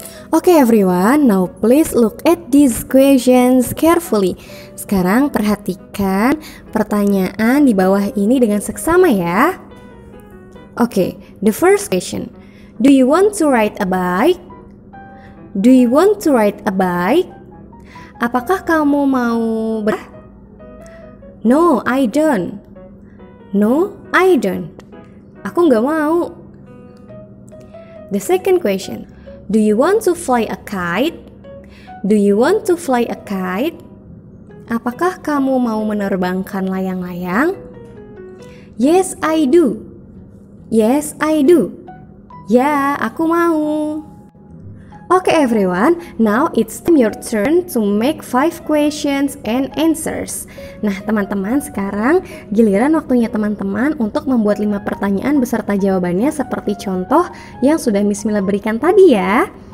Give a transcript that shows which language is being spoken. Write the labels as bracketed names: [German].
[English] Okay everyone, now please look at these questions carefully. [Indonesian] Sekarang perhatikan pertanyaan di bawah ini dengan seksama ya. [English] Okay, the first question. Do you want to ride a bike? Do you want to ride a bike? [Indonesian] Apakah kamu mau ber... [English] No, I don't. No, I don't. [Indonesian] Aku nggak mau. [English] The second question. Do you want to fly a kite? Do you want to fly a kite? [Indonesian] Apakah kamu mau menerbangkan layang-layang? [English] Yes, I do. Yes, I do. [Indonesian] Ya, aku mau. [English] Okay, everyone. Now it's your turn to make 5 questions and answers. [Indonesian] Nah, teman-teman, sekarang giliran waktunya teman-teman untuk membuat 5 pertanyaan beserta jawabannya seperti contoh yang sudah Miss Mila berikan tadi ya.